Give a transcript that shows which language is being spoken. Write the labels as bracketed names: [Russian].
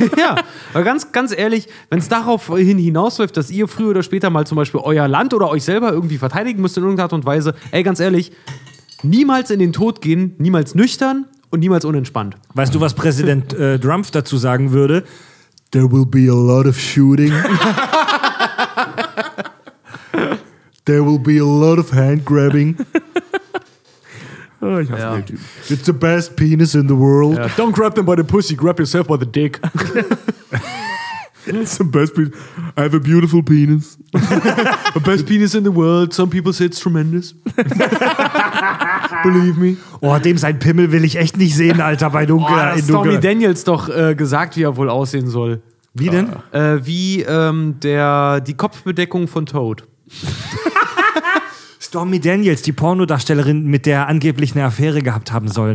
[German] Ja, aber ganz, ganz ehrlich, wenn es darauf hinausläuft, dass ihr früher oder später mal zum Beispiel euer Land oder euch selber irgendwie verteidigen müsst in irgendeiner Art und Weise, ey, ganz ehrlich, niemals in den Tod gehen, niemals nüchtern und niemals unentspannt. Weißt du, was Präsident Trump dazu sagen würde? [English] There will be a lot of shooting. There will be a lot of hand grabbing. [German] Oh, ich hasse den Typ. [English] It's the best penis in the world. Yeah. Don't grab them by the pussy, grab yourself by the dick. It's the best penis. I have a beautiful penis. The best penis in the world. Some people say it's tremendous. Believe me. [German] Oh, dem sein Pimmel will ich echt nicht sehen, Alter, bei Dunkel. Oh, das hat Stormy Daniels doch gesagt, wie er wohl aussehen soll. Wie denn? Wie die Kopfbedeckung von Toad. Stormy Daniels, die Pornodarstellerin, mit der er angeblich eine Affäre gehabt haben soll.